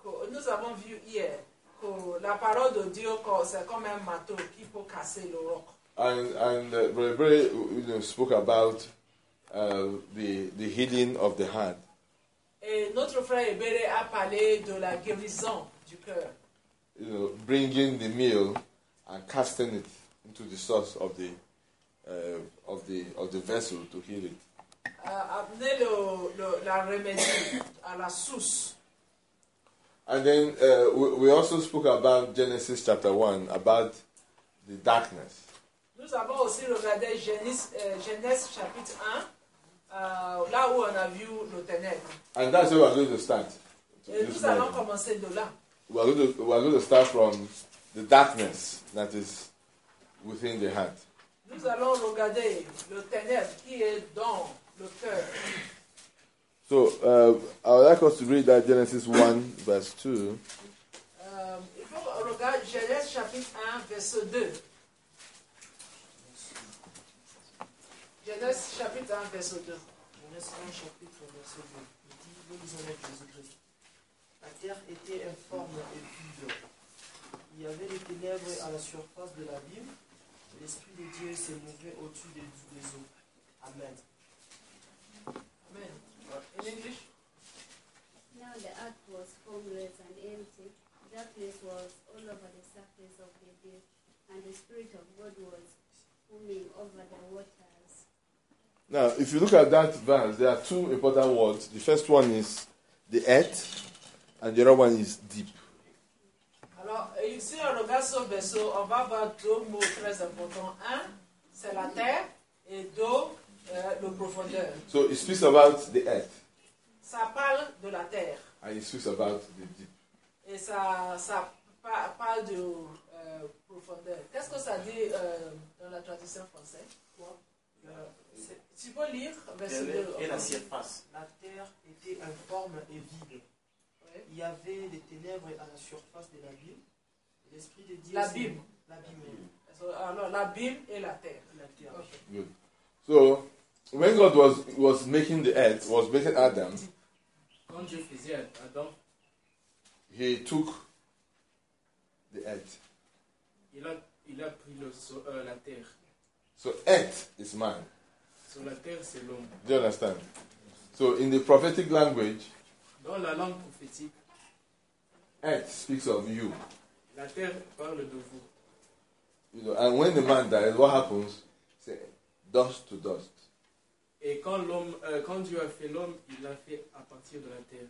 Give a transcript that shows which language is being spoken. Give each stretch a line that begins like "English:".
French: Nous avons vu hier que la parole de Dieu c'est comme un marteau qui peut casser le roc.
English: And Brother spoke about the healing of the heart.
French: Et notre frère Ebere a parlé de la guérison du cœur.
English: You know, bringing the meal and casting it into the source of the vessel to heal it.
French: Amener la remédie à la source.
English: And then we also spoke about Genesis chapter 1, about the darkness.
French: Nous avons aussi regardé Genèse chapitre 1, là où on a vu le ténèbre.
English: And that's where we're going to start.
French: Nous allons commencer de là.
English: We are going to start from the darkness that is within the heart.
French: Nous allons regarder le ténèbre qui est dans le cœur.
English: So, I would like us to read that Genesis 1, verse 2.
French: Il faut regarder Genèse chapitre 1, verse 2. Genèse chapitre 1, verse 2. Genèse 1, chapitre 1, verse 2. Il dit, vous en êtes Jésus-Christ. La terre était informe et vide. Il y avait des ténèbres à la surface de l'abîme. L'Esprit de Dieu s'est mouvé au-dessus des eaux. Amen.
English: Amen. In English? Now the earth was formless and empty. Darkness was all over the surface of the deep. And the Spirit of God was moving over the waters. Now, if you look at that verse, there are two important words. The first one is the earth. And the other one is deep.
French: Alors, ici, on regarde ce vaisseau, on va voir deux mots très importants. Un, c'est la terre, et deux, le profondeur.
English: So, it speaks about the earth.
French: Ça parle de la terre.
English: And it speaks about the deep.
French: Et ça parle de profondeur. Qu'est-ce que ça dit dans la traduction française? Tu peux lire verset 2. Et la surface. La terre était informe et vide. Il y avait des ténèbres à la surface de l'abîme. L'Esprit de Dieu. L'abîme. L'abîme et la terre.
English: Okay. Good. So, when God was making the earth, was making Adam,
French: quand Dieu faisait Adam,
English: he took the earth.
French: Il a pris la terre.
English: So, earth is man. So,
French: la terre, c'est l'homme.
English: Do you understand? So, in the prophetic language,
French: dans la langue prophétique,
English: earth speaks of you.
French: La terre parle de vous.
English: You know, and when the man dies, what happens? Say, dust to dust.
French: Et quand l'homme, quand Dieu a fait l'homme, il l'a fait à partir de la terre.